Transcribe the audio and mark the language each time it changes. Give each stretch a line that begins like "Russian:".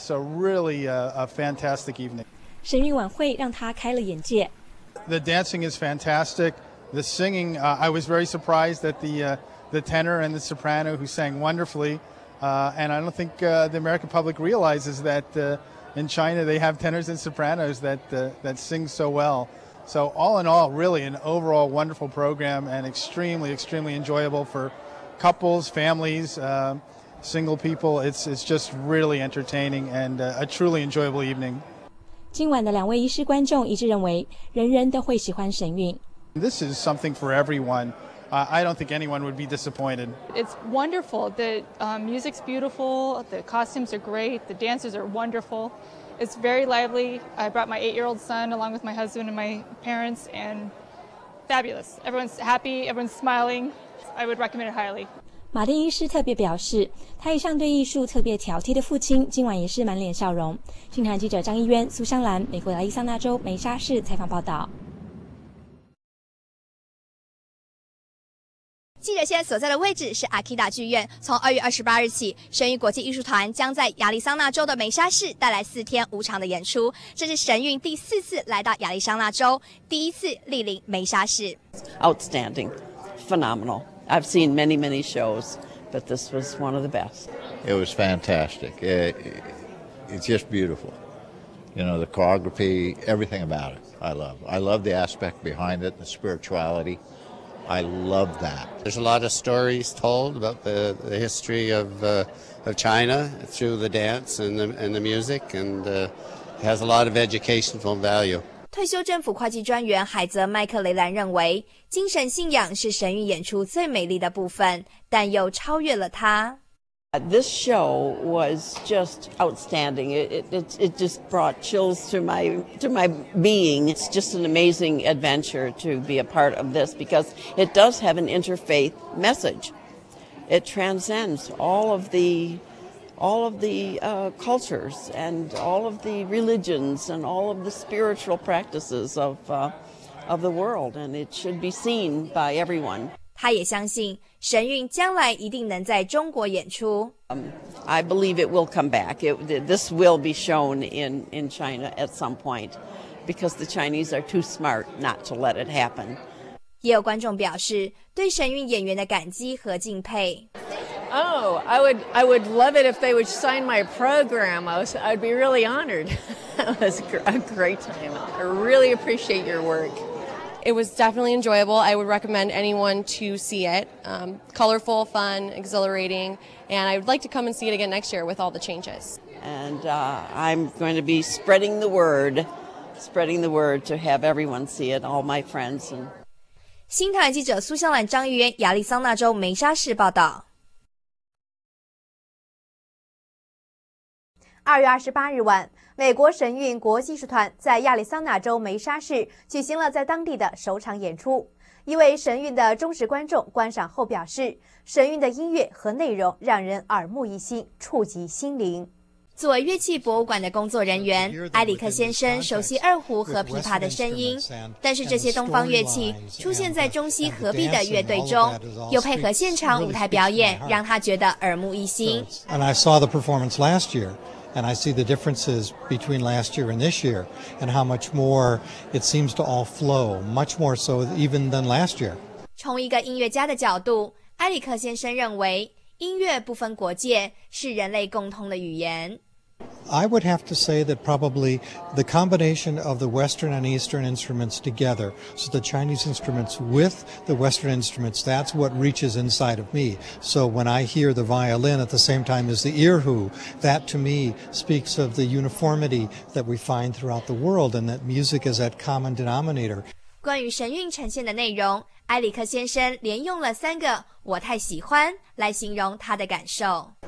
English: So really a fantastic evening.
Chinese: 神韵晚会让他开了眼界。
English: The dancing is fantastic. The singing, I was very surprised at the tenor and the soprano who sang wonderfully. And I don't think the American public realizes that in China they have tenors and sopranos that sing so well. So all in all, really an overall wonderful program and extremely, extremely enjoyable for couples, families, single people. It's just really entertaining and a truly enjoyable evening.
Chinese: 今晚的两位医师观众一致认为，人人都会喜欢神韵。
English: This is something for everyone. I don't think anyone would be disappointed. It's wonderful. The music's beautiful. The costumes are great. The dancers are wonderful. It's very lively. I brought my 8-year-old son along with my husband and my parents, and fabulous. Everyone's happy. Everyone's smiling. I would recommend it highly.
Chinese: 马丁医师特别表示，他一向对艺术特别挑剔的父亲今晚也是满脸笑容。新唐记者张一渊、苏香兰，美国亚利桑那州梅沙市采访报道。记者现在所在的位置是阿基达剧院，从2月28日起，神韵国际艺术团将在亚利桑那州的梅沙市带来4天无偿的演出。这是神韵第4次来到亚利桑那州，第一次莅临梅沙市。
English: Outstanding, phenomenal. I've seen many, many shows, but this was one of the best. It was fantastic. It's just beautiful. You know, the choreography, everything about it, I love. I love the aspect behind it, the spirituality. I love that. There's a lot of stories told about the history of China through the dance and the music, and it has a lot of educational value.
Chinese: 退休政府会计专员海泽麦克雷兰认为，精神信仰是神韵演出最美丽的部分，但又超越了它。
English: This show was just outstanding. It just brought chills to my being. It's just an amazing adventure to be a part of this because it does have an interfaith message. It transcends all of the cultures and all of the religions and all of the spiritual practices of the world, and it should be seen by everyone.
Chinese: 他也相信神韵将来一定能在中国演出。
English: I believe it will come back. This will be shown in China at some point because the Chinese are too smart not to let it happen.
Chinese: 也有观众表示对神韵演员的感激和敬佩。
English: Oh, I would love it if they would sign my program. I'd be really honored. It was a great time. I really appreciate your work. It was definitely enjoyable. I would recommend anyone to see it. Colorful, fun, exhilarating. And I would like to come and see it again next year with all the changes. And I'm going to be spreading the word to have everyone see it, all my friends. And...
Chinese: 新唐人记者苏香兰、张玉渊，亚利桑那州梅沙市报道。 2月28日晚，美国神韵国际艺术团在亚利桑那州梅沙市举行了在当地的首场演出。一位神韵的忠实观众观赏后表示，神韵的音乐和内容让人耳目一新，触及心灵。作为乐器博物馆的工作人员，埃里克先生熟悉二胡和琵琶的声音，但是这些东方乐器出现在中西合璧的乐队中，又配合现场舞台表演，让他觉得耳目一新。
English: And I saw the performance last year. And I see the differences between last year and this year, and how much more it seems to all flow, much more so even than last year.
Chinese: 从一个音乐家的角度，埃里克先生认为，音乐不分国界，是人类共通的语言。
English: I would have to say that probably the combination of the Western and Eastern instruments together, so the Chinese instruments with the Western instruments, that's what reaches inside of me. So when I hear the violin at the same time as the erhu, that to me speaks of the uniformity that we find throughout the world and that music is that common denominator.
Chinese: 关于神韵呈现的内容，埃里克先生连用了三个“我太喜欢”来形容他的感受。